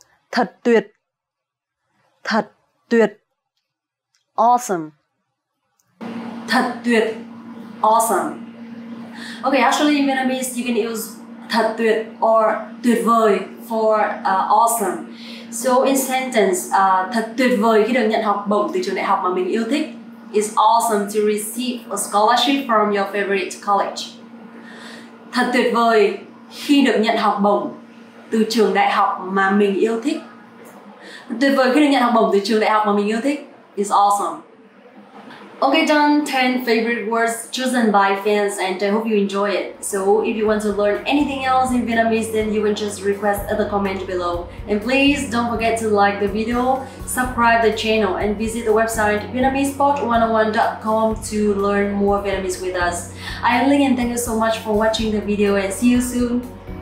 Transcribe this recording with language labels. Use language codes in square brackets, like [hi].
[vi] Thật tuyệt. Thật tuyệt. [en] Awesome. [vi] Thật tuyệt. [en] Awesome. Okay, actually in Vietnamese you can use thật tuyệt or tuyệt vời for awesome. So in sentence, [vi] thật tuyệt vời khi được nhận học bổng từ trường đại học mà mình yêu thích. [en] It's awesome to receive a scholarship from your favorite college. [vi] Thật tuyệt vời khi được nhận học bổng từ trường đại học mà mình yêu thích. Thật tuyệt vời khi được nhận học bổng từ trường đại học mà mình yêu thích. [en] It's awesome. Okay, done 10 favorite words chosen by fans, and I hope you enjoy it. So if you want to learn anything else in Vietnamese, then you can just request at the comment below. And please don't forget to like the video, subscribe the channel, and visit the website VietnamesePod101.com to learn more Vietnamese with us. I am Linh, and thank you so much for watching the video, and see you soon.